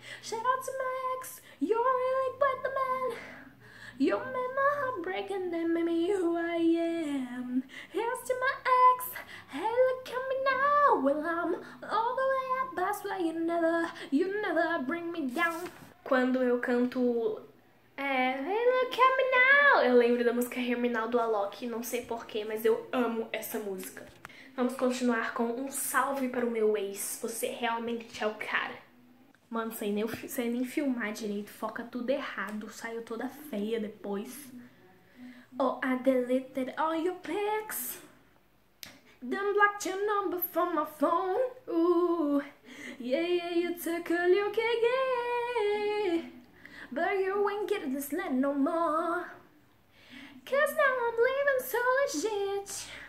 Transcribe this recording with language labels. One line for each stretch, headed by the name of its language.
English: Shout out to my ex. You're really quite the man. You made my heart break and then made me who I am. Here's to my ex. Hey, look at me now. Well, I'm all the way up. That's why you never bring me down.
Portuguese: Quando eu canto.
English: Hey, look at me now!
Portuguese: Eu lembro da música Hear Me Now do Alok, não sei porquê, mas eu amo essa música. Vamos continuar com um salve para o meu ex. Você realmente é o cara. Mano, sem nem filmar direito, foca tudo errado. Saiu toda feia depois.
English: Oh, I deleted all your pics. Then blocked your number from my phone. Ooh, yeah, you took a look again. But you ain't getting this land no more. Cause now I'm living so legit.